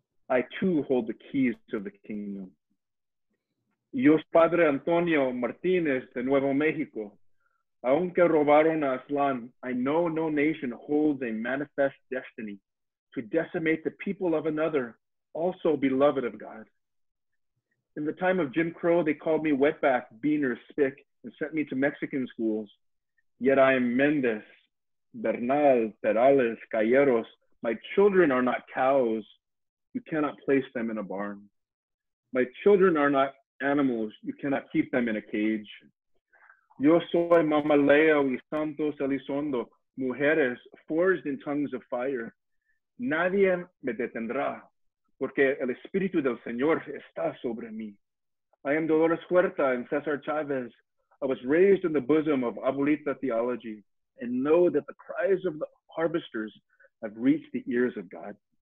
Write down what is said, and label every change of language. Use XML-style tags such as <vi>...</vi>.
<en>I too hold the keys to the kingdom.</en> <es>Yo soy Padre Antonio Martinez de Nuevo México. Aunque robaron a Aslan,</es> <en>I know no nation holds a manifest destiny to decimate the people of another, also beloved of God. In the time of Jim Crow, they called me wetback, beaner, spick, and sent me to Mexican schools. Yet I am Mendez, Bernal, Perales, Calleros. My children are not cows. You cannot place them in a barn. My children are not animals. You cannot keep them in a cage.</en> <es>Yo soy Mamaleo y Santos Elizondo, mujeres</es> <en>forged in tongues of fire.</en> <es>Nadie me detendrá, porque el Espíritu del Señor está sobre mí.</es> <en>I am Dolores Huerta and Cesar Chavez. I was raised in the bosom of Abuelita theology and know that the cries of the harvesters have reached the ears of God.</en>